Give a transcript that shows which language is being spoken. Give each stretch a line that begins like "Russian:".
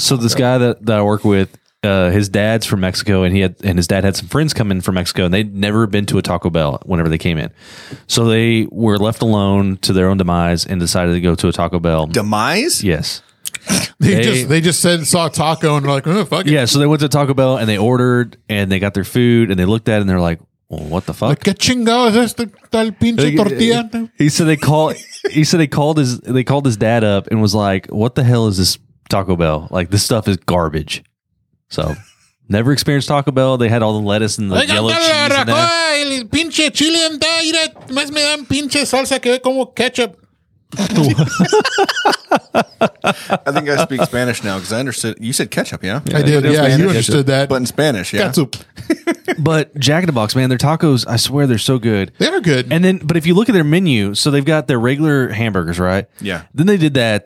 English: So this guy that I work with, his dad's from Mexico, and his dad had some friends come in from Mexico, and they'd never been to a Taco Bell whenever they came in. So they were left alone to their own demise and decided to go to a Taco Bell. Demise? Yes. They just saw a taco and were like, oh, fuck it. Yeah, so they went to Taco Bell and they ordered and they got their food and they looked at it and they're like, well, what the fuck?
Spanish: ¿Qué chingado es este tal pinche tortilla?
English: He said they called his dad up and was like, what the hell is this Taco Bell? Like, this stuff is garbage. So, never experienced Taco Bell. They had all the lettuce and the yellow cheese.
Spanish: El pinche chile anda, mira, más me dan pinche salsa que como ketchup.
English: I think I speak Spanish now because I understood. You said ketchup, yeah? I did. Yeah, Spanish, you understood that. But in Spanish, yeah. Ketchup. But Jack in the Box, man, their tacos, I swear they're so good. They are good. And then, but if you look at their menu, so they've got their regular hamburgers, right? Yeah. Then they did that.